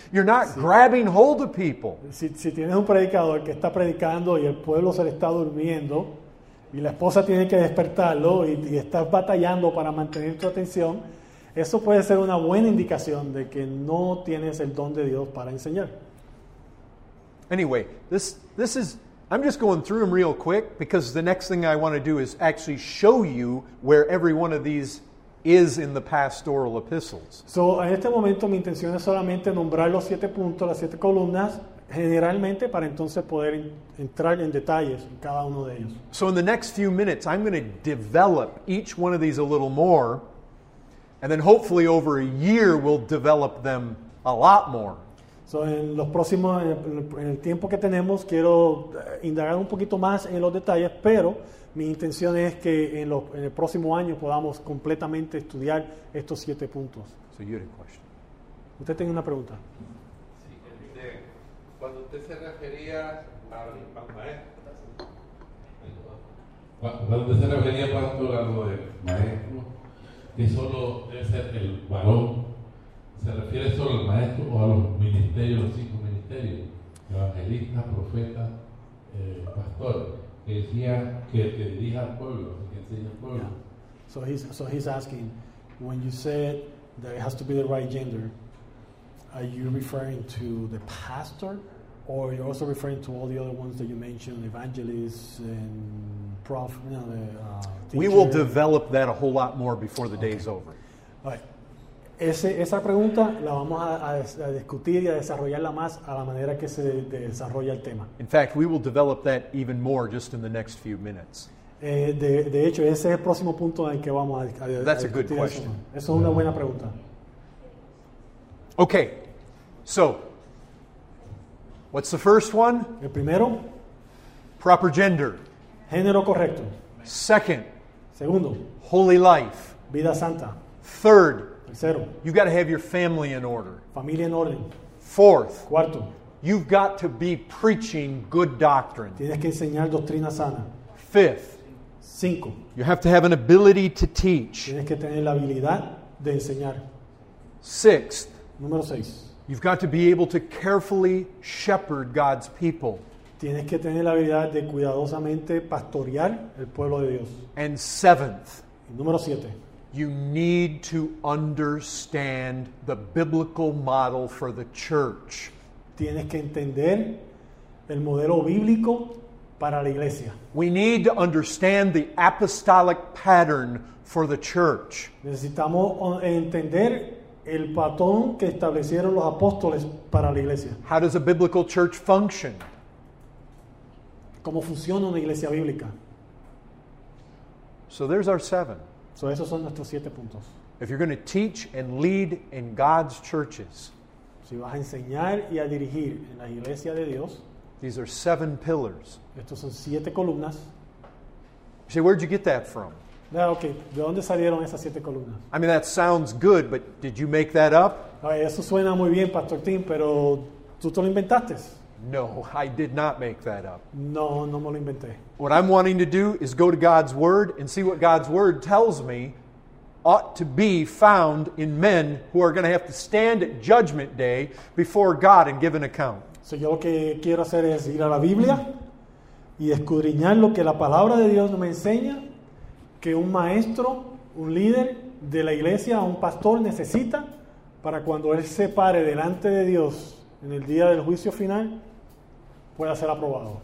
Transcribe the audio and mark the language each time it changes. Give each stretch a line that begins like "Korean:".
English: You're not grabbing hold of people.
Spanish: Si tienes un predicador que está predicando y el pueblo se le está durmiendo y la esposa tiene que despertarlo y estás batallando para mantener tu atención, eso puede ser una buena indicación de que no tienes el don de Dios para enseñar.
English: Anyway, this is, I'm just going through them real quick because the next thing I want to do is actually show you where every one of these is in the pastoral epistles.
Spanish: So, en este momento mi intención es solamente nombrar los siete puntos, las siete columnas, generalmente para entonces poder entrar en detalles en cada uno de ellos.
English: So, in the next few minutes, I'm going to develop each one of these a little more, and then hopefully over a year we'll develop them a lot more.
Spanish: So, en el tiempo que tenemos, quiero indagar un poquito más en los detalles, pero mi intención es que en el próximo año podamos completamente estudiar estos siete puntos.
English: So you had a question.
Spanish: Usted tiene una pregunta. Sí, cuando usted se refería al maestro, cuando usted se refería, pastor, a lo de maestro, que solo debe ser el varón, ¿se refiere solo al maestro o a los ministerios, los cinco ministerios? ministerio, evangelista, profeta, pastor, que decía que te dirija al pueblo, que enseña al pueblo.
English: Yeah. So he's asking, when you said that it has to be the right gender, are you referring to the pastor, or are you also referring to all the other ones that you mentioned, evangelists and prof, you know, we will develop that a whole lot more before the day is over. All right.
Spanish: Esa pregunta la vamos a discutir y a desarrollarla más a la manera que se desarrolla el tema.
English: In fact, we will develop that even more just in the next few minutes.
Spanish: De hecho, ese es el próximo punto en el que vamos a discutir.
English: That's a good question.
Spanish: Eso es una buena pregunta.
English: Okay, so, what's the first one?
Spanish: El primero.
English: Proper gender.
Spanish: Género correcto.
English: Second.
Spanish: Segundo.
English: Holy life.
Spanish: Vida santa.
English: Third.
Spanish: Tercero.
English: You've got to have your family in order.
Spanish: Familia en orden.
English: Fourth.
Spanish: Cuarto.
English: You've got to be preaching good doctrine.
Spanish: Tienes que enseñar doctrina sana.
English: Fifth.
Spanish: Cinco.
English: You have to have an ability to teach.
Spanish: Tienes que tener la habilidad de enseñar.
English: Sixth.
Spanish: Número seis.
English: You've got to be able to carefully shepherd God's people.
Spanish: Tienes que tener la habilidad de cuidadosamente pastorear el pueblo de Dios.
English: And seventh.
Spanish: Y número siete.
English: You need to understand the biblical model for the church.
Spanish: Tienes que entender el modelo bíblico para la iglesia.
English: We need to understand the apostolic pattern for the church.
Spanish: Necesitamos entender el patrón que establecieron los apóstoles para la iglesia.
English: How does a biblical church function?
Spanish: ¿Cómo funciona una iglesia bíblica?
English: So there's our seven.
Spanish: So esos son nuestros siete puntos.
English: If you're going to teach and lead in God's churches,
Spanish: si vas a enseñar y a dirigir en la iglesia de Dios,
English: these are seven pillars.
Spanish: Estos son siete columnas.
English: You say, where'd you get that from? Now, okay,
Spanish: ¿de dónde salieron esas siete columnas?
English: I mean, that sounds good, but did you make that up?
Spanish: Ay, eso suena muy bien, Pastor Tim, pero ¿tú te lo inventaste?
English: No, I did not make that up.
Spanish: No, no me lo inventé.
English: What I'm wanting to do is go to God's Word and see what God's Word tells me ought to be found in men who are going to have to stand at Judgment Day before God and give an account.
Spanish: So yo lo que quiero hacer es ir a la Biblia y escudriñar lo que la Palabra de Dios me enseña que un maestro, un líder de la iglesia, un pastor necesita para cuando él se pare delante de Dios en el día del juicio final, pueda ser aprobado.